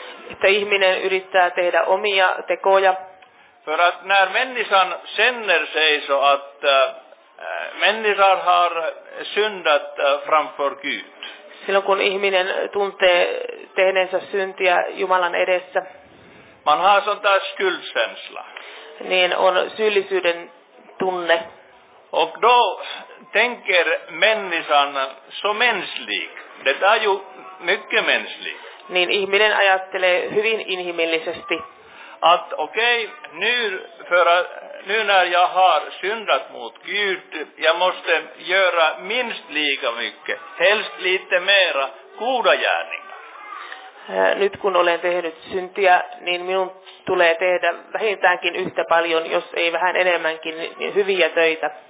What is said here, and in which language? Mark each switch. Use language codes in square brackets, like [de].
[fi] Että ihminen yrittää tehdä omia tekoja. [sv] För att när människan känner sig så att människan har syndat framför Gud. [fi] Silloin kun ihminen tuntee tehneensä syntiä Jumalan edessä. [sv] Man har sånt där skuldkänsla. [fi] Niin on syyllisyyden tunne. [sv] Och då tänker människan så mänsklig. Det är ju mycket mänsklig. [fi] Niin ihminen ajattelee hyvin inhimillisesti. [sv] Att okej, nu när jag har syndat mot Gud, jag måste göra minst lika mycket, helst lite mera, goda gärningar. [fi] Nyt kun olen tehnyt syntiä, niin minun tulee tehdä vähintäänkin yhtä paljon, jos ei vähän enemmänkin, niin hyviä töitä.